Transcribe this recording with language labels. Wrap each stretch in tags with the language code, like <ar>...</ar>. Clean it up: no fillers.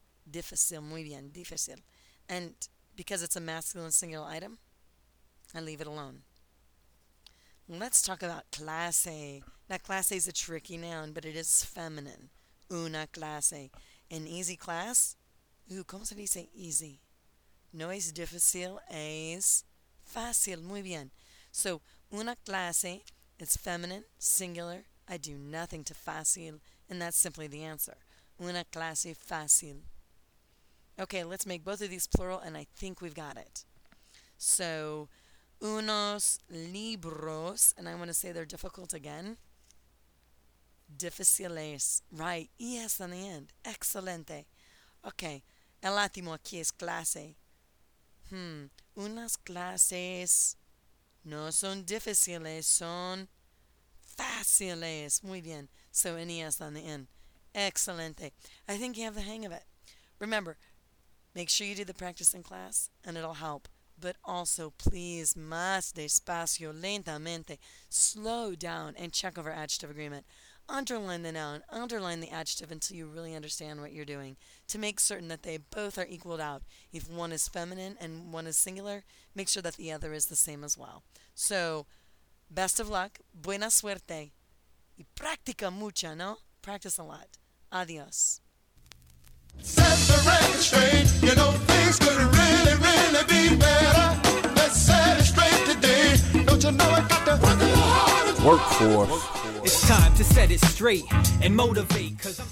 <es>Difícil, muy bien, difícil.</es> <en>And because it's a masculine singular item, I leave it alone. Let's talk about clase. Now, clase is a tricky noun, but it is feminine.</en> <es>Una clase.</es> <en>An easy class? Ooh,</en> <es>¿cómo se dice</es> <en>easy?</en> <es>No es difícil, es fácil. Muy bien.</es> <en>So, una clase, it's feminine, singular. I do nothing to fácil, and that's simply the answer.</en> <es>Una clase fácil.</es> <en>Okay, let's make both of these plural, and I think we've got it. So,</en> <es>unos libros,</es> <en>and I want to say they're difficult again. Difíciles. Right. Yes, on the end. Excelente. Okay.</en> <es>El látimo aquí es clase. Unas clases no son difíciles, son fáciles. Muy bien.</es> <en>So, yes, on the end. Excelente. I think you have the hang of it. Remember, make sure you do the practice in class, and it'll help. But also, please,</en> <es>más despacio, lentamente,</es> <en>slow down and check over adjective agreement. Underline the noun, underline the adjective until you really understand what you're doing. To make certain that they both are equaled out. If one is feminine and one is singular, make sure that the other is the same as well. So, best of luck,</en> <es>buena suerte, y practica mucha, ¿no?</es> <en>Practice a lot. Adios. Set the record straight. You know things could really, really be better. Let's set it straight today. Don't you know I got to work the workforce. It's time to set it straight and motivate, 'cause I'm</en>